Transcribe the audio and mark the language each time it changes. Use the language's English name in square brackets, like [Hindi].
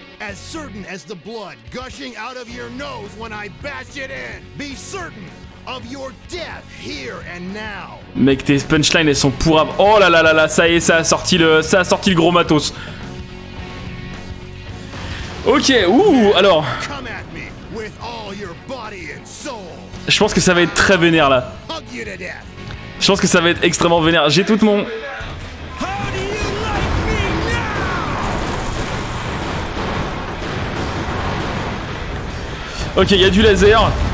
[English] As certain as the blood gushing out of your nose when I bash it in. Be certain of your death here and now. [French] Mec, tes punchlines, elles sont pourrables. Oh là là là là, ça y est, ça a sorti le gros matos. Ok, ouh, alors. [English] Come at me with all your body and soul. [French] Je pense que ça va être très vénère là. [English] Hug you to death. [French] Je pense que ça va être extrêmement vénère. J'ai tout mon. Ok, il y a du laser.